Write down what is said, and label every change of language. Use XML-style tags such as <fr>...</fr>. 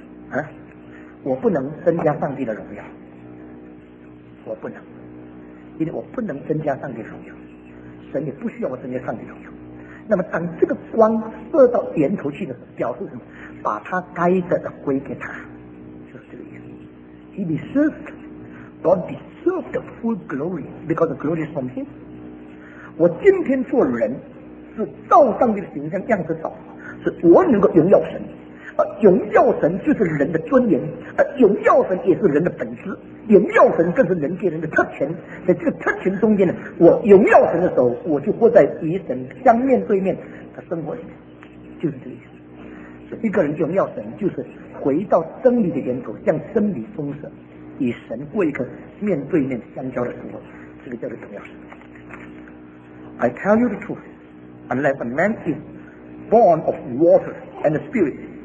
<zh>啊，我不能增加上帝的荣耀，我不能，因为我不能增加上帝的荣耀，神也不需要我增加上帝的荣耀。那么当这个光射到源头去的时候，表示什么？把他该得的归给他，就是这个意思。</zh> <en>He deserved, God deserved the full glory because the glory is from Him.</en> <zh>我今天做人是照上帝的形象样子造，是我能够荣耀神，而荣耀神就是人的尊严，而荣耀神也是人的本质，荣耀神更是人给人的特权。在这个特权中间呢，我荣耀神的时候，我就活在与神相面对面的生活里面，就是这个意思。所以一个人荣耀神，就是回到真理的源头，向真理忠实，与神过一个面对面相交的生活，这个叫做荣耀神。</zh> <en>I tell you the truth, unless a man is born of water and the Spirit.</en>